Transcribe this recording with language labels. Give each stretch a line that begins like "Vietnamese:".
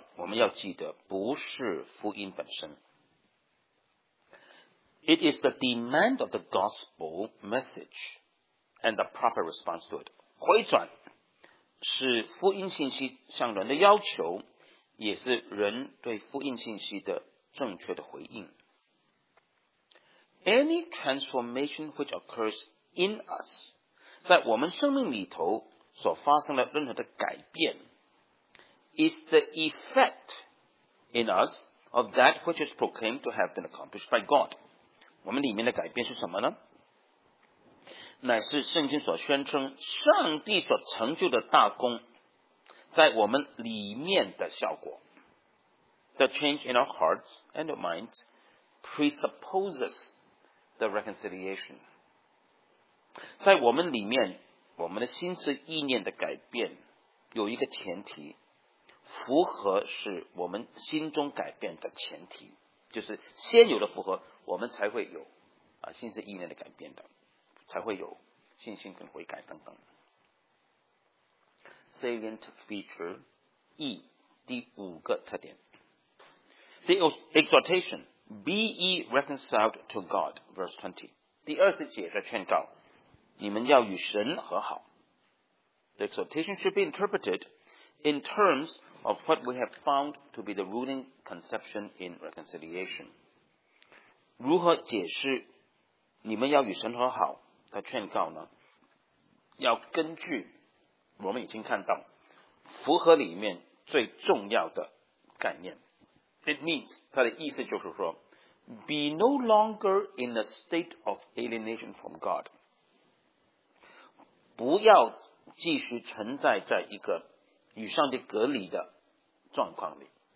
Chinese: 这里我要解释一下,conversion这个字就是归正,就是回转,就是信心和悔改的总和。回转,我们要记得,不是福音本身。
English: It is the demand of the gospel message and the proper response to it.
Chinese: 回转是福音信息向人的要求，也是人对福音信息的正确的回应。
English: Any transformation which occurs in us,
Chinese: 在我们生命里头所发生的任何的改变,
English: is the effect in us of that which is proclaimed to have been accomplished by God.
Chinese: 我们里面的改变是什么呢? 乃是圣经所宣称上帝所成就的大功, 在我们里面的效果。
English: The change in our hearts and our minds presupposes the reconciliation.
Chinese: 在我们里面，我们的心思意念的改变有一个前提，符合是我们心中改变的前提，就是先有的符合，我们才会有心思意念的改变的，才会有信心跟悔改等等。
English: Salient feature E,
Chinese: 第五个特点。
English: The exhortation, be ye reconciled to God, verse 20.
Chinese: 第二十节的劝告，你们要与神和好。
English: The exhortation should be interpreted in terms of what we have found to be the ruling conception in reconciliation.
Chinese: 如何解释你们要与神和好的劝告呢？要根据我们已经看到符合里面最重要的概念。
English: It means,
Chinese: 它的意思就是说
English: be no longer in a state of alienation from God.
Chinese: 不要继续存在在一个与上帝隔离的状况里。